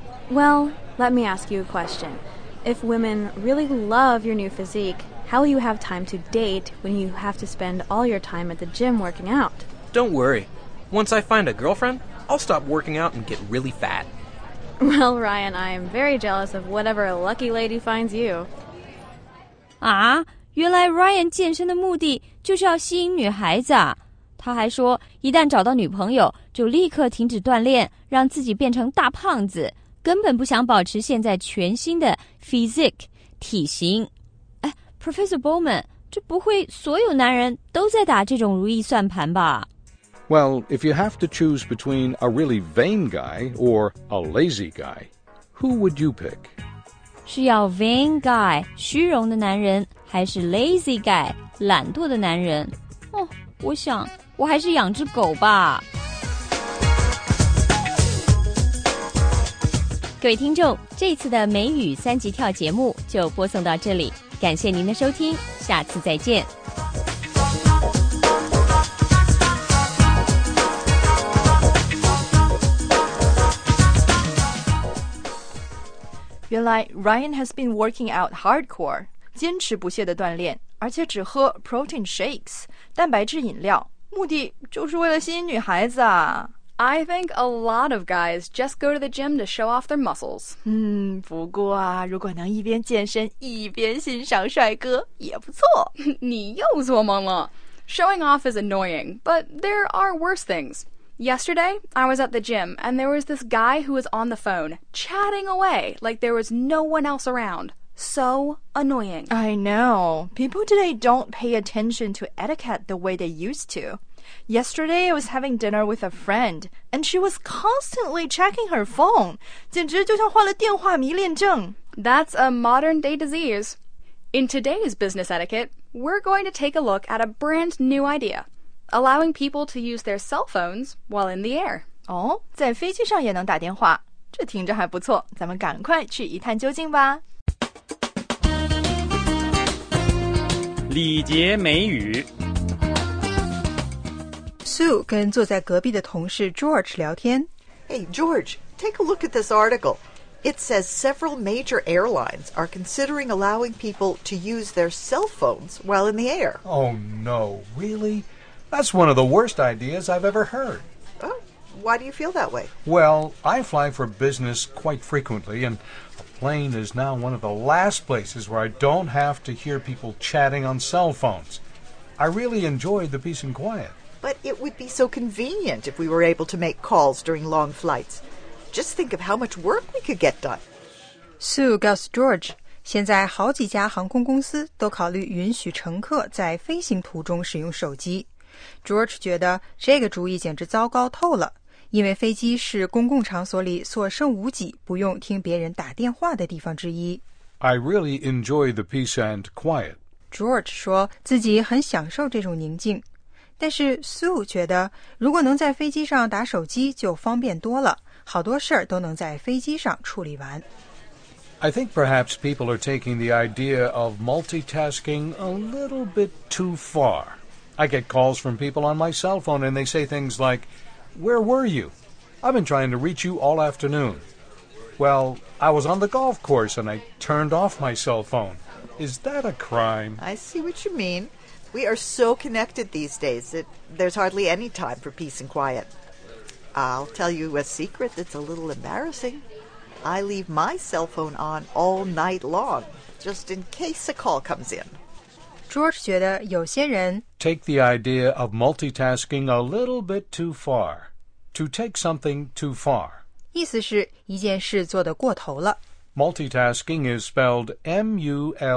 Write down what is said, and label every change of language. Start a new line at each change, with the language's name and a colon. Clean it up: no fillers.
English: Well, let me ask you a question. If women really love your new physique, how will you have time to date when you have to spend all your time at the gym working out? Don't worry. Once I find a girlfriend, I'll stop working out and get really fat. Well, Ryan, I am very jealous of whatever a lucky lady finds you. Ah?
Chinese: 原来 Ryan 健身的目的就是要吸引女孩子啊！他还说，一旦找到女朋友，就立刻停止锻炼，让自己变成大胖子，根本不想保持现在全新的 physique 体型。哎 ，Professor Bowman， 这不会所有男人都在打这种如意算盘吧
English: ？Well, if you have to choose between a really vain guy or a lazy guy, who would you pick?
Chinese: 是要 vain guy 虚荣的男人，还是 lazy guy 懒惰的男人？哦，我想我还是养只狗吧。各位听众，这次的美语三级跳节目就播送到这里，感谢您的收听，下次再见。原来
English: Ryan has been working out hardcore,
Chinese: 坚持不懈的锻炼，而且只喝 protein shakes, 蛋白质饮料，目的就是为了吸引女孩子啊。
English: I think a lot of guys just go to the gym to show off their muscles.
Chinese: 不过啊，如果能一边健身一边欣赏帅哥也不错。你又做梦了。
English: Showing off is annoying, but there are worse things. Yesterday, I was at the gym, and there was this guy who was on the phone, chatting away like there was no one else around. So annoying. I know. People today don't pay attention to etiquette the way they used to. Yesterday, I was having dinner with a friend, and she was constantly checking her phone.
Chinese: 简直就像患了电话迷恋症。
English: That's a modern-day disease. In today's business etiquette, we're going to take a look at a brand new idea, allowing people to use their cell phones while in the air.
Chinese: 哦，在飞机上也能打电话，这听着还不错，咱们赶快去一探究竟吧。礼节美语。 Sue 跟坐在隔壁的同事 George 聊天。
English: Hey, George, take a look at this article. It says several major airlines are considering allowing people to use their cell phones while in the air. Oh, no, really? That's one of the worst ideas I've ever heard. Oh, why do you feel that way? Well, I fly for business quite frequently, and a plane is now one of the last places where I don't have to hear people chatting on cell phones. I really enjoy the peace and quiet. But it would be so convenient if we were able to make calls during long flights. Just think of how much work we could get done.
Chinese: Sue 告诉 George, 现在好几家航空公司都考虑允许乘客在飞行途中使用手机。 George 觉得这个主意简直糟糕透了,因为飞机是公共场所里所剩无几不用听别人打电话的地方之一。
English: I really enjoy the peace and quiet.
Chinese: George 说自己很享受这种宁静。但是 Sue 觉得如果能在飞机上打手机就方便多了，好多事儿都能在飞机上处理完。
English: I think perhaps people are taking the idea of multitasking a little bit too far. I get calls from people on my cell phone and they say things like, Where were you? I've been trying to reach you all afternoon. Well, I was on the golf course and I turned off my cell phone. Is that a crime? I see what you mean. We are so connected these days that there's hardly any time for peace and quiet. I'll tell you a secret that's a little embarrassing. I leave my cell phone on all night long, just in case a call comes in.
Chinese: George 觉得有些人
English: take the idea of multitasking a little bit too far. To take something too far.
Chinese: 意思是一件事做得过头了。
English: Multitasking is spelled M-U-L-T-I-T-A-S-K-I-N-G.